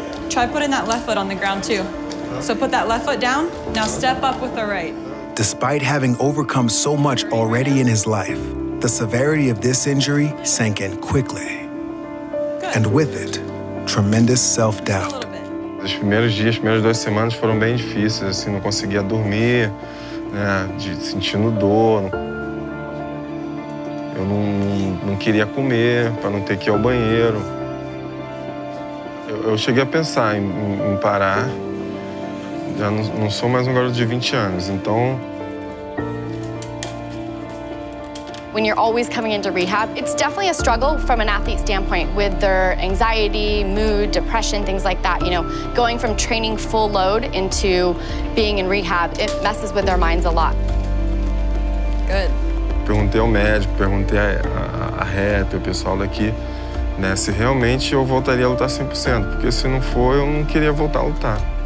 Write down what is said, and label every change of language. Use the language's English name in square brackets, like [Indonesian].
[English] Try putting that left foot on the ground too. So put that left foot down. Now step up with the right. Despite having overcome so much already in his life, the severity of this injury sank in quickly. Good. And with it, tremendous self-doubt. [Portuguese] Os primeiros dias, primeiras 2 semanas foram bem difíceis, assim, não conseguia dormir, né, de sentindo dor. Eu não queria comer para não ter que ir ao banheiro. Eu cheguei a pensar em parar. Já não sou mais um garoto de 20 anos, então... [English] When you're always coming into rehab, it's definitely a struggle from an athlete standpoint with their anxiety, mood, depression, things like that. You know, going from training full load into being in rehab, it messes with their minds a lot. Good. [Portuguese] Perguntei ao médico, perguntei a rep, o pessoal daqui, né, se realmente eu voltaria a lutar 100%, porque se não for, eu não queria voltar a lutar.